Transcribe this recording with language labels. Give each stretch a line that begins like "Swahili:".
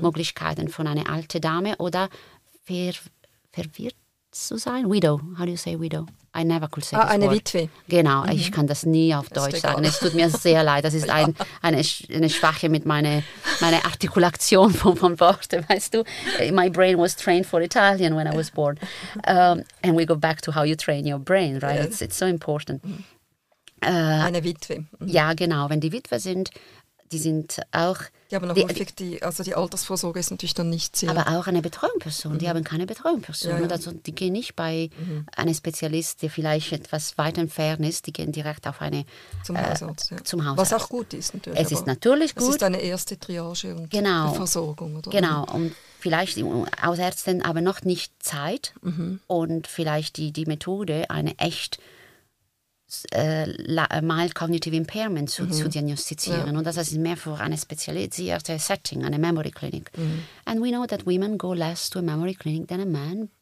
German: Möglichkeiten von einer alten Dame oder verwirrt zu sein.
English: Widow, how do you say widow? I never could say
German: Eine
English: word.
German: Witwe. Genau, mhm. ich kann das nie auf Deutsch sagen. Es tut mir sehr leid. Das ist eine Schwäche mit meiner Artikulation von Worten, weißt du?
English: My brain was trained for Italian when I was born. And we go back to how you train your brain, right? Yeah. It's so important.
German: Eine Witwe. Mhm. Ja, genau. Wenn die Witwe sind, die sind auch... Ja, aber häufig, die Altersvorsorge ist natürlich dann nicht sehr... Aber auch eine Betreuungsperson, mhm. die haben keine Betreuungsperson. Ja, ja. Also die gehen nicht bei mhm. einem Spezialist, der vielleicht etwas weit entfernt ist, die gehen direkt auf eine... Zum Hausarzt. Ja. Zum Hausarzt. Was auch gut ist natürlich. Es ist natürlich gut. Es ist eine erste Triage und genau. Versorgung. Oder? Genau, und vielleicht die Hausärzte aber noch nicht Zeit mhm. und vielleicht die Methode, eine echt...
English: mild cognitive impairment
German: zu diagnostizieren. Ja. Und das ist mehr für eine spezialisierte Setting, eine Memory Clinic. Mhm.
English: And we know that women go less to a memory clinic than a man.